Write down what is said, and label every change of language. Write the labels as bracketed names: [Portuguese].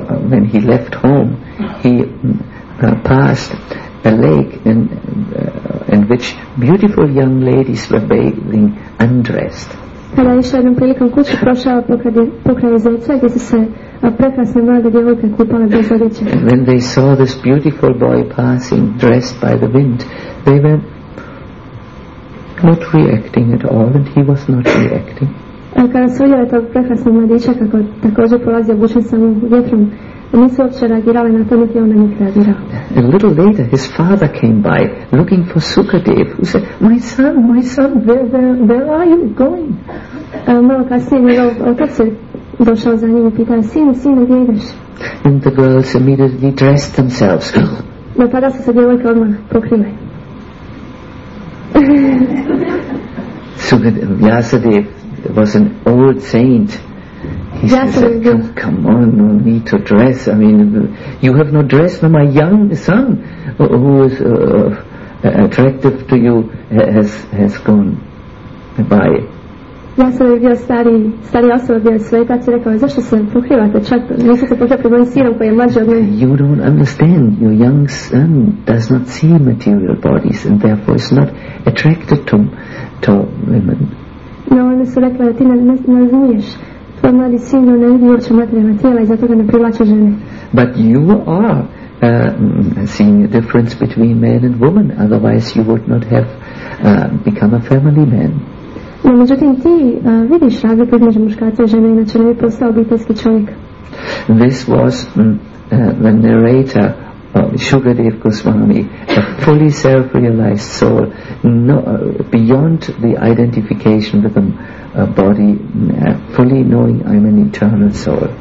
[English] When he left home, he passed a lake in which beautiful young ladies were bathing undressed. [Croatian] Kada je išao jednom prilikom kuću, prošao pokraj jezera gdje su se prekrasne mlade djevojke kupale bez odjeće. [English] And when they saw this beautiful boy passing dressed by the wind, they were not reacting at all, and he was not reacting. [Croatian] Kada su vidjeli tog prekrasnog mladića kako također prolazi obučen samo vjetrom, nisu uopće reagirali na to, niti on na njih reagirao. [English] A little later his father came by looking for Shukadev, who said, my son, where are you going? [Croatian] Malo kasnije njegov otac je došao za njim i pitao, sine, gdje ideš? [English] And the girls immediately dressed themselves. [Croatian] No tada su se djevojke odmah pokrile. [English] Shukadev, Vyasadev was an old saint. He said, come on, no need to dress. I mean, you have no dress for my young son who is attractive to you has gone by. [Croatian] Ja sam bio stari osoba, bio svetac, i rekao, zašto se pokrivate, čak niste se pokrivali mojim sinom koji je mlađi od mene. [English] You don't understand, your young son does not see material bodies and therefore is not attracted to women. [Croatian] No, one su rekla, ti ne razumiješ, tvoj mladi sin ne vidi uopće materijalna tijela i zato ga ne privlače žene. [English] But you are seeing a difference between man and woman, otherwise you would not have become a family man. [Croatian] No, međutim ti vidiš razliku između muškarca i žene, inače ne bi postao obiteljski čovjek. [English] This was the narrator of Shukadev Goswami, a fully self-realized soul, beyond the identification with a body, fully knowing I'm an eternal soul.